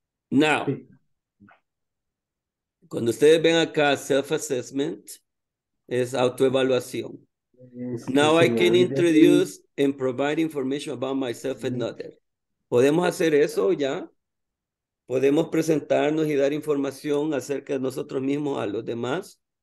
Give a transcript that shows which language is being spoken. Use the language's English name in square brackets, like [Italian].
[Spanish] Now, cuando ustedes ven acá, self-assessment es autoevaluación. [English] Now I can introduce and provide information about myself and others. [Spanish] ¿Podemos hacer eso ya? ¿Podemos presentarnos y dar información acerca de nosotros mismos a los demás?